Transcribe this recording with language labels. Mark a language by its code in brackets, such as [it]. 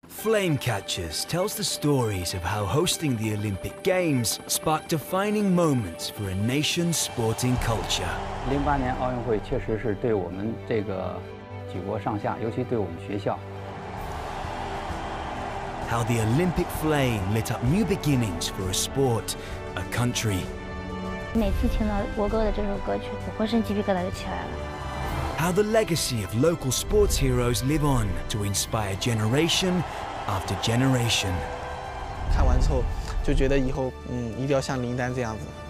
[en] Flame Catchers tells the stories of how hosting the Olympic Games sparked defining moments for a nation's sporting culture. [zh] 08年奥运会确实是对我们这个举国上下，尤其对我们学校。 [en] How the Olympic flame lit up new beginnings for a sport, a country. [zh] 每次听到国歌的这首歌曲，我浑身鸡皮疙瘩就起来了。 [en] How the legacy of local sports heroes live on to inspire generation after generation. [zh] 看完之后就觉得以后一定要像林丹这样子。